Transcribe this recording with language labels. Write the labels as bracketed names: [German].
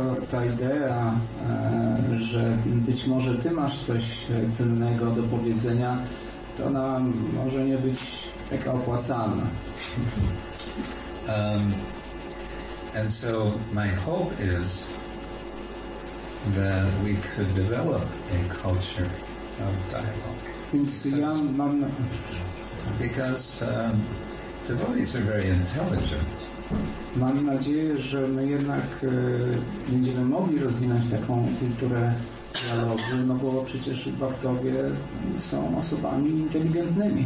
[Polish] Ta idea, że być może ty masz coś cennego do powiedzenia, to ona może nie być taka opłacalna. [English] And so my hope is that we could develop a culture of dialogue. Because devotees are very intelligent. [Polish] Mam nadzieję, że my jednak będziemy mogli rozwinąć taką kulturę dialogu, no bo przecież baktowie są osobami inteligentnymi.